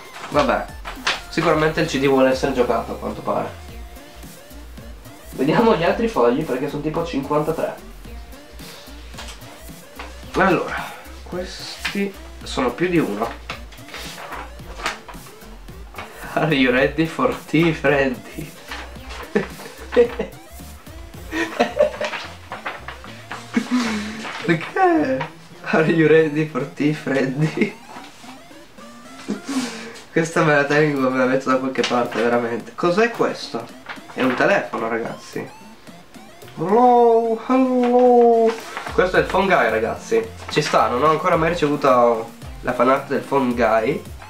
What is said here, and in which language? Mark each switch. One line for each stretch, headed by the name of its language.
Italian: Vabbè, sicuramente il CD vuole essere giocato a quanto pare. Vediamo gli altri fogli perché sono tipo 53. Allora, questi sono più di uno.
English: Are you ready for tea, Freddy?
Italian: Perché?
English: Are you ready for tea, Freddy?
Italian: Questa me la tengo, me la metto da qualche parte, veramente. Cos'è questo? È un telefono, ragazzi.
English: Hello, hello.
Italian: Questo è il Phone Guy, ragazzi. Ci sta, non ho ancora mai ricevuto la fanart del Phone Guy.